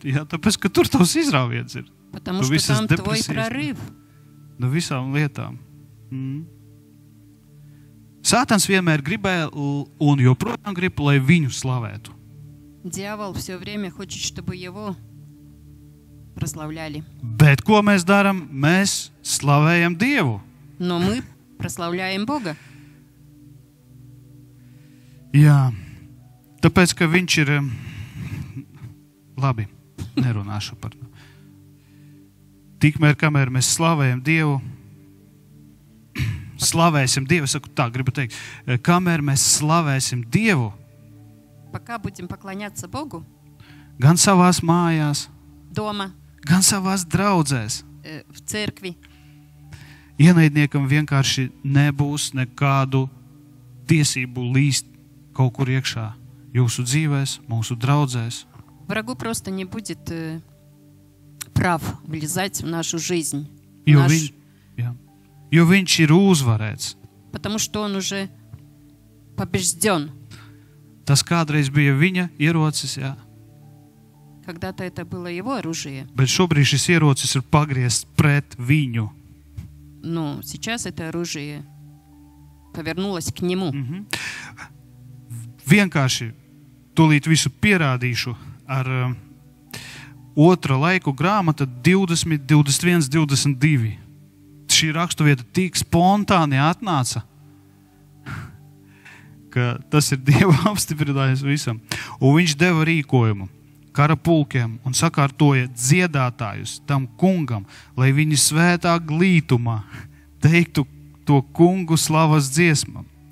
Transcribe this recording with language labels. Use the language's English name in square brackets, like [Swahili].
[Latvian] Jā, tāpēc, ka tur tavs izrāviens ir. [Russian] Потому что там твой прорыв. [Latvian] No visām lietām. Sātans vienmēr gribēja un joprojām grib, lai viņu slavētu. [Russian] Дьявол все время хочет, чтобы его прославляли. [Latvian] Bet ko mēs darām? Mēs slavējam Dievu. [Russian] Но мы прославляем Бога. [Latvian] Jā. Tāpēc, ka viņš ir... Labi, nerunāšu par to. Tikmēr, kamēr mēs slavējam Dievu, slavēsim Dievu, saku tā, gribu teikt, kamēr mēs slavēsim Dievu, [Russian] пока будем поклоняться Богу, [Latvian] gan savās mājās, [Russian] дома, [Latvian] gan savās draudzēs, [Russian] в церкви, [Latvian] ienaidniekam vienkārši nebūs nekādu tiesību līst kaut kur iekšā, jūsu dzīvēs, mūsu draudzēs. [Russian] Врагу просто не будет прав влезать в нашу жизнь. [Latvian] Jo viņš ir uzvarēts. [Russian] Потому что он уже побежден. [Latvian] Tas kādreiz bija viņa ierocis, jā. [Russian] Когда-то это было его оружие. [Latvian] Bet šobrīd šis ierocis ir pagriezts pret viņu. [Russian] Ну, сейчас это оружие повернулось к нему. [Latvian] Vienkārši tūlīt visu pierādīšu ar otra laiku grāmata 20, 21, 22. Šī rakstuvieta tik spontāni atnāca. Ka tas ir Dieva apstiprinājums visam. Un viņš deva rīkojumu karapulkiem un sakārtoja dziedātājus tam kungam, lai viņi svētā glītumā teiktu to kungu slavas dziesmam.